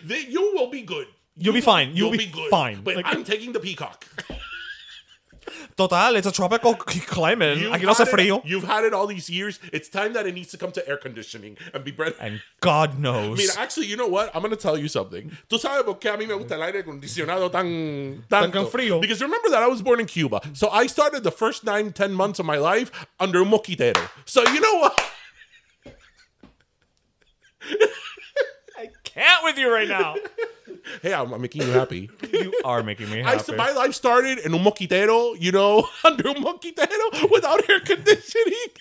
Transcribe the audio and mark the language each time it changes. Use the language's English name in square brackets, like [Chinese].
[English] You will be good. You'll be fine. You'll be good. But like, I'm taking the peacock. Total, it's a tropical climate. [Spanish] Aquí no hace frío. [English] You've had it all these years. It's time that it needs to come to air conditioning and be bred. And God knows. [Spanish] Mira, [English] actually, you know what? I'm going to tell you something. [Spanish] Tú sabes por qué a mí me gusta el aire acondicionado tan frío. [English] Because remember that I was born in Cuba. So I started the first 9-10 months of my life under [Spanish] un mosquitero. [English] So you know what? I can't with you right now. Hey, I'm making you happy. You are making me happy. My life started in [Spanish] un mosquitero, [English] you know, under un mosquitero without air conditioning.